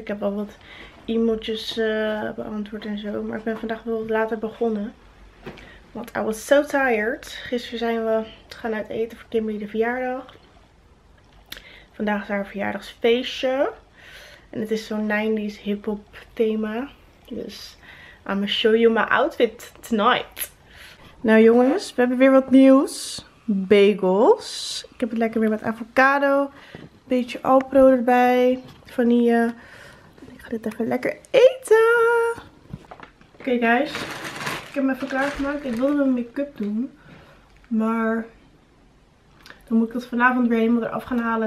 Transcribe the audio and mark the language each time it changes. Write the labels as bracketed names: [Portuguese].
[Dutch] Ik heb al wat e-mailtjes beantwoord en zo. Maar ik ben vandaag wel wat later begonnen. Want [English] I was so tired. [Dutch] Gisteren zijn we gaan uit eten voor Kimberly de verjaardag. Vandaag is haar verjaardagsfeestje. En het is zo'n 90s hip-hop thema. Dus [English] I'm gonna show you my outfit tonight. [Dutch] Nou jongens, we hebben weer wat nieuws. Bagels. Ik heb het lekker weer met avocado. Beetje Alpro erbij. Vanille. Dit even lekker eten. Oké, guys. Ik heb me even klaargemaakt. Ik wilde mijn make-up doen. Maar dan moet ik dat vanavond weer helemaal eraf gaan halen.